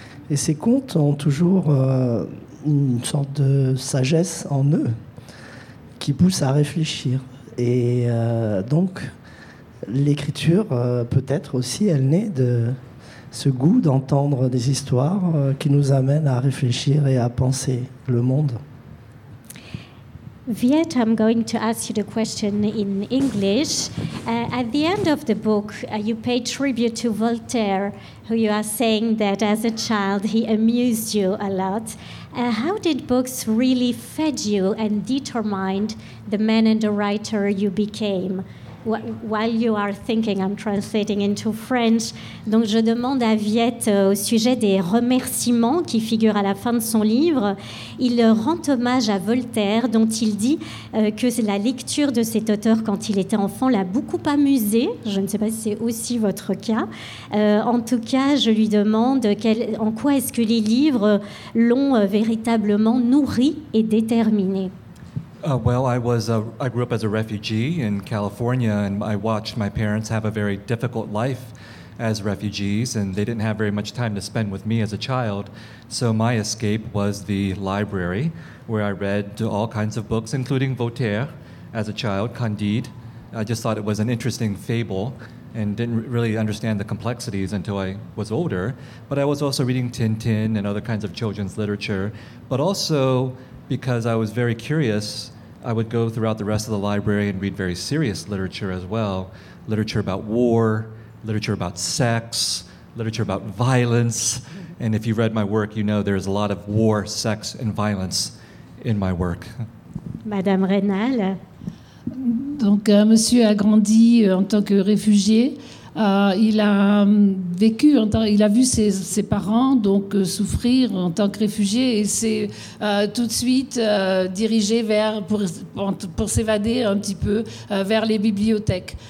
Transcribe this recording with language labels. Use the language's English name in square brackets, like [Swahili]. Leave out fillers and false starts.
[French] Et ces contes ont toujours une sorte de sagesse en eux qui pousse à réfléchir. Et donc, l'écriture, peut-être aussi, elle naît de ce goût d'entendre des histoires qui nous amènent à réfléchir et à penser le monde. [English] Viet, I'm going to ask you the question in English. At the end of the book, you pay tribute to Voltaire, who you are saying that as a child he amused you a lot. How did books really feed you and determined the man and the writer you became? While you are thinking, I'm translating into French. [French] Donc, je demande à Viette au sujet des remerciements qui figurent à la fin de son livre. Il rend hommage à Voltaire, dont il dit que la lecture de cet auteur quand il était enfant l'a beaucoup amusé. Je ne sais pas si c'est aussi votre cas. En tout cas, je lui demande en quoi est-ce que les livres l'ont véritablement nourri et déterminé. [English] Well, I grew up as a refugee in California, and I watched my parents have a very difficult life as refugees, and they didn't have very much time to spend with me as a child. So my escape was the library, where I read all kinds of books, including Voltaire as a child, Candide. I just thought it was an interesting fable and didn't really understand the complexities until I was older. But I was also reading Tintin and other kinds of children's literature, but also because I was very curious, I would go throughout the rest of the library and read very serious literature as well. Literature about war, literature about sex, literature about violence. And if you've read my work, you know there's a lot of war, sex, and violence in my work. [French] Madame Reynal. Donc, monsieur a grandi en tant que réfugié. Il a vu ses parents donc souffrir en tant que réfugié et s'est tout de suite dirigé pour s'évader un petit peu vers les bibliothèques.